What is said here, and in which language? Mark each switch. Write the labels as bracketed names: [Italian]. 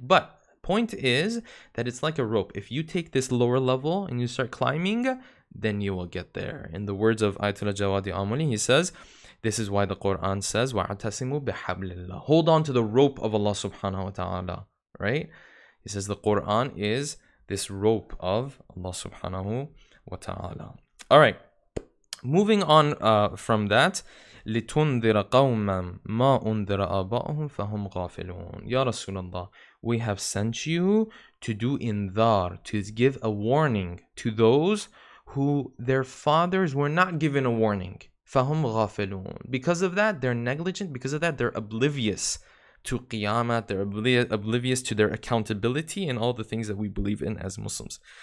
[English] But point is that it's like a rope. If you take this lower level and you start climbing, then you will get there. In the words of Ayatollah Jawadi Amali, he says, this is why the Quran says, [Arabic] وَعَتَسِمُ بِحَبْلِ اللَّهِ, [English] hold on to the rope of Allah subhanahu wa ta'ala, right? He says the Quran is this rope of Allah subhanahu wa ta'ala. All right, moving on from that, [Arabic] لِتُنذِرَ قَوْمًا مَا أُنذِرَ آبَاؤُهُمْ فَهُمْ غَافِلُونَ. [English] Ya Rasulullah, we have sent you to do inzar, to give a warning to those who their fathers were not given a warning. [Arabic] فَهُمْ غَافِلُونَ. [English] Because of that, they're negligent. Because of that, they're oblivious to Qiyamah. They're oblivious to their accountability and all the things that we believe in as Muslims.